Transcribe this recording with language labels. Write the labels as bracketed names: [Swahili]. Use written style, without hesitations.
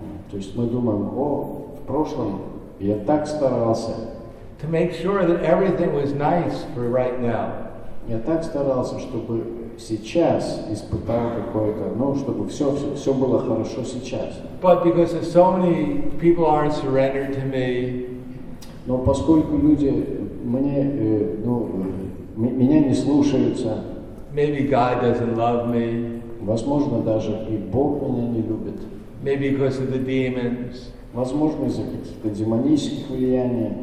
[Russian] То есть мы думаем, о, в прошлом я так старался. [English] To make sure that everything was nice for right now. [Russian] Я так старался, чтобы сейчас испытал какое-то, ну, чтобы все было хорошо сейчас. [English] But because of so many people aren't surrendered to me. [Russian] Но поскольку люди мне, ну, меня не слушаются. [English] Maybe God doesn't love me. [Russian] Возможно, даже и Бог меня не любит. [English] Maybe because of the demons. [Russian] Возможно, из-за каких-то демонических влияний.